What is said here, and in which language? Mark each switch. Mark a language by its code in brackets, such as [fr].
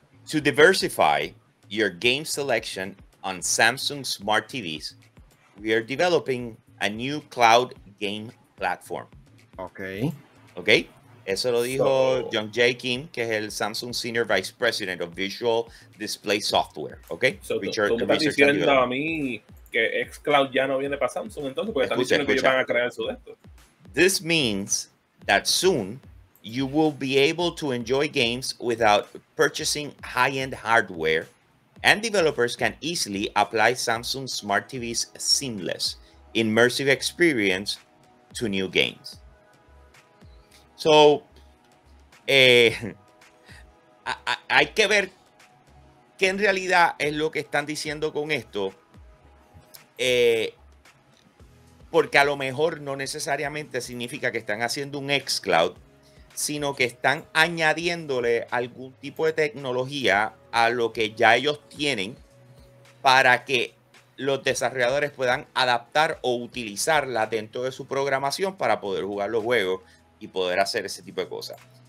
[en] To diversify your game selection on Samsung Smart TVs, we are developing a new cloud game platform. Ok. [es] Eso lo dijo Jung Jae Kim, que es el [en] Samsung Senior Vice President of Visual Display Software. [es] Ok. [en] So, [es] tú me estás diciendo a mí que xCloud ya no viene para Samsung, entonces, porque están diciendo que ellos van a crear su esto. [en] This means that soon you will be able to enjoy games without purchasing high-end hardware, and developers can easily apply Samsung Smart TV's seamless, immersive experience to new games. So, [es] hay que ver qué en realidad es lo que están diciendo con esto. Porque a lo mejor no necesariamente significa que están haciendo un xCloud, sino que están añadiéndole algún tipo de tecnología a lo que ya ellos tienen para que los desarrolladores puedan adaptar o utilizarla dentro de su programación para poder jugar los juegos y poder hacer ese tipo de cosas.